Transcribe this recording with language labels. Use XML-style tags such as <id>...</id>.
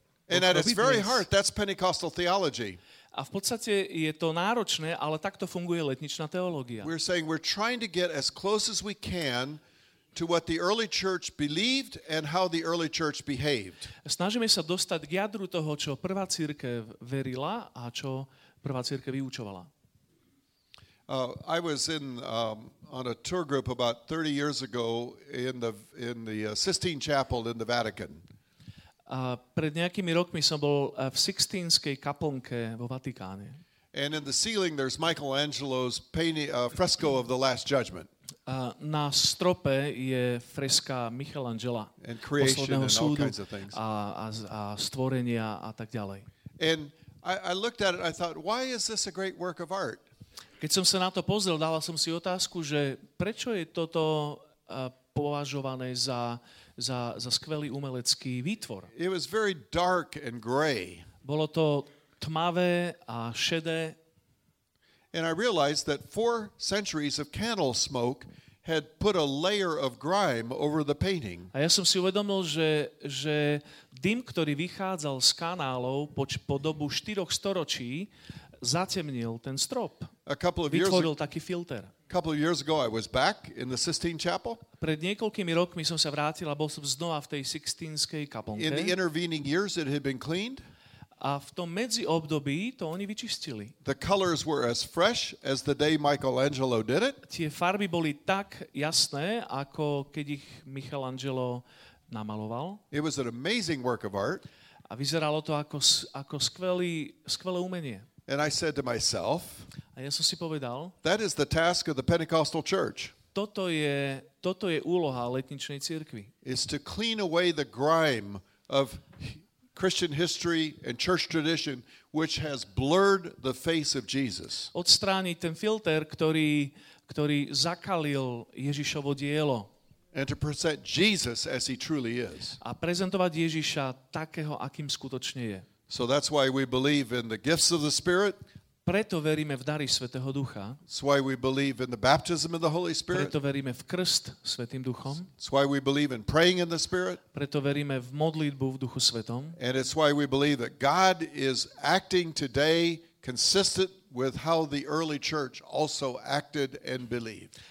<en>and at its very heart, that's Pentecostal theology.</en> <sk>A v podstate je to náročné, ale takto funguje letničná teológia.</sk> <en>We're saying we're trying to get as close as we can to what the early church believed and how the early church behaved.</en> <sk>Snažíme sa dostať k jadru toho, čo prvá cirkev verila a čo prvá cirkev vyučovala.</sk> <en>I was in on a tour group about 30 years ago in the Sistine Chapel in the Vatican.</en> <sk>Pred nejakými rokmi som bol v Sixtínskej kaplnke vo Vatikáne.</sk> <en>And in the ceiling there's Michelangelo's painting fresco of the Last Judgment.</en> <sk>Na strope je freska Michelangela posledného súdu a stvorenia a tak ďalej.</sk> <en>And I looked at it, I thought, why is this a great work of art?</en> <sk>Keď som sa na to pozrel, dával som si otázku, že prečo je toto považované za skvelý umelecký výtvor.</sk> <en>It was very dark and gray.</en> <sk>Bolo to tmavé a šedé.</sk> <en>And I realized that 4 centuries of candle smoke had put a layer of grime over the painting.</en> <sk>A ja som si uvedomil, že dym, ktorý vychádzal z kanálov po dobu 4 storočí, zatemnil ten strop. Vytvoril taký filter.</sk> <en>A couple of years ago I was back in the Sistine Chapel.</en> <sk>Pred niekoľkými rokmi som sa vrátil a bol som znova v tej Sixtínskej kaplnke.</sk> <en>In the intervening years it had been cleaned.</en> <sk>A v tom medziobdobí to oni vyčistili.</sk> <en>The colors were as fresh as the day Michelangelo did it.</en> <sk>Tie farby boli tak jasné, ako keď ich Michelangelo namaloval.</sk> <en>It was an amazing work of art.</en> <sk>A vyzeralo to ako skvelé umenie.</sk> <en>And I said to myself,</en> <sk>a ja som si povedal,</sk> <en>that is the task of the Pentecostal church.</en> <sk>Toto je úloha letničnej cirkvi.</sk> <en>Is to clean away the grime of Christian history and church tradition which has blurred the face of Jesus.</en> <sk>Odstrániť ten filter, ktorý zakalil Ježišovo dielo.</sk> <en>And to present Jesus as he truly is.</en> <sk>A prezentovať Ježiša takého, akým skutočne je.</sk> <en>So that's why we believe in the gifts of the Spirit.</en> <sk>Preto veríme v dary Svätého Ducha.</sk> <en>That's why we believe in the baptism of the Holy Spirit.</en> <sk>Preto veríme v krst Svätým Duchom.</sk> <en>That's why we believe in praying in the Spirit.</en> <sk>Preto veríme v modlitbu v Duchu Svätom.</sk> <en>And it's why we believe that God is acting today consistent with how the early church also acted and believed.</en>